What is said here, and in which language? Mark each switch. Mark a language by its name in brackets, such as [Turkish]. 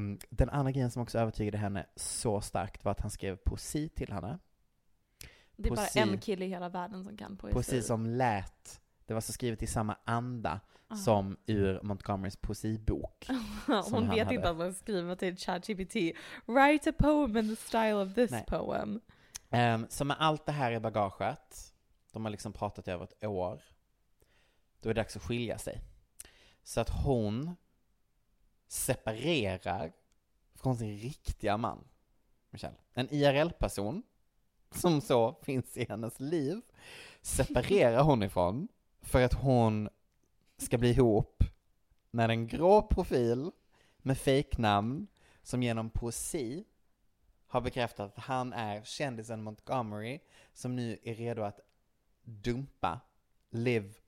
[Swedish] Den andra grejen som också övertygade henne så starkt var att han skrev poesi till henne. Det är poesi, bara en kille i hela världen som kan poesi. Poesi som lät Det var så skrivet i samma anda som ur Montgomerys poesibok. Hon vet inte att man skriver till ChatGPT. [English] Write a poem in the style of this poem. [Swedish] Så med allt det här i bagaget, de har liksom pratat i över ett år, då är det dags att skilja sig. Så att hon separerar från sin riktiga man, Michelle. En IRL-person som så finns i hennes liv separerar hon ifrån för att hon ska bli ihop med en grå profil med fejknamn som genom poesi har bekräftat att han är kändisen Montgomery som nu är redo att dumpa Liv